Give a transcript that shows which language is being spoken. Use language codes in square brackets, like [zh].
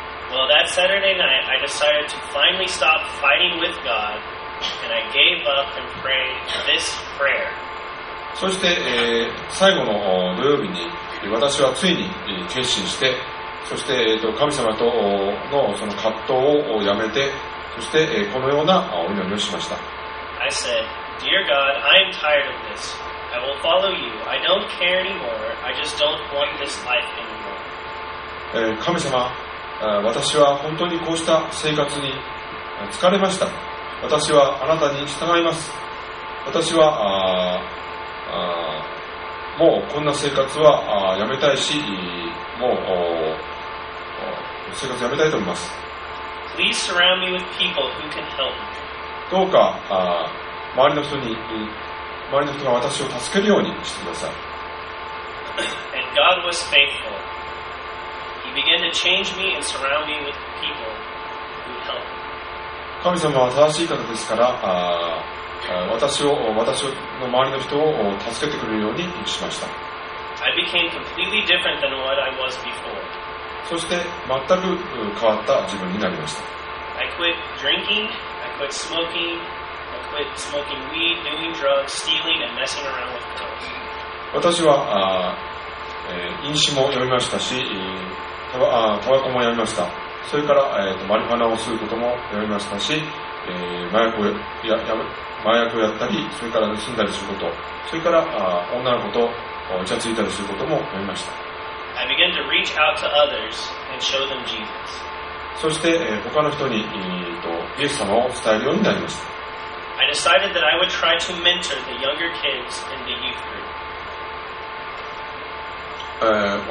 [en] Well, that Saturday night, I decided to finally stop fighting with God, and I gave up and prayed this prayer. [ja] そして、最後の土曜日に私はついに決心して、そして、神様とのその葛藤をやめて、そして、このようなお祈りをしました。 [en] I said, Dear God, I am tired of this. I will follow you. I don't care anymore. I just don't want this life anymore. [ja] 神様、私は本当にこうした生活に疲れました。私はあなたに従います。私はもうこんな生活はやめたいし、もう生活やめたいと思います。 [en] Please surround me with people who can help me. [ja] どうか周りの人に、周りの人が私を助けるようにしてください。 [en] And God was faithful. He began to change me and surround me with people who help. [ja] 神様は正しい方ですから、私の周りの人を助けてくれるようにしました。 [en] I became completely different than what I was before. [ja] そして全く変わった自分になりました。 [en] I quit drinking, I quit smoking, I quit smoking weed, doing drugs, stealing, and messing around with girls. [ja] 私は、飲酒もやめましたし、タバコもやめました。それから、マリファナを吸うこともやめましたし、麻薬をやったり、それから盗んだりすること、それから女の子とイチャついたりすることもやめました。 [en] I began to reach out to others and show them Jesus. [ja] そして、他の人に、イエス様を伝えるようになりました。 [en] I decided that I would try to mentor the younger kids in the youth group.